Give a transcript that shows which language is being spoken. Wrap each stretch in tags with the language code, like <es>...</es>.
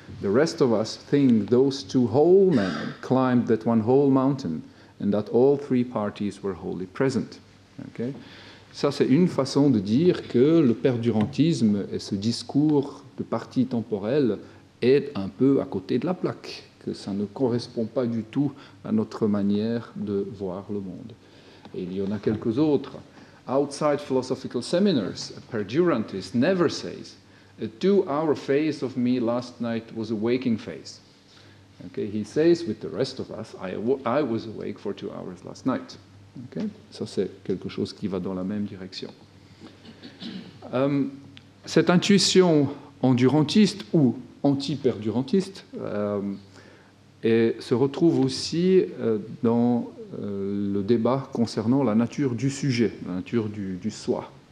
<en>The rest of us think those two whole men climbed that one whole mountain and that all three parties were wholly present. Okay?</en> <fr>Ça, c'est une façon de dire que le perdurantisme et ce discours de partie temporelle est un peu à côté de la plaque, que ça ne correspond pas du tout à notre manière de voir le monde. Et il y en a quelques autres.</fr> <en>Outside philosophical seminars, a perdurantist never says, a two-hour phase of me last night was a waking phase. Okay, he says, with the rest of us, I was awake for 2 hours last night. Okay?</en> <fr>Ça, c'est quelque chose qui va dans la même direction. Cette intuition endurantiste ou anti-perdurantiste se retrouve aussi dans le débat concernant la nature du sujet, la nature du soi.</fr>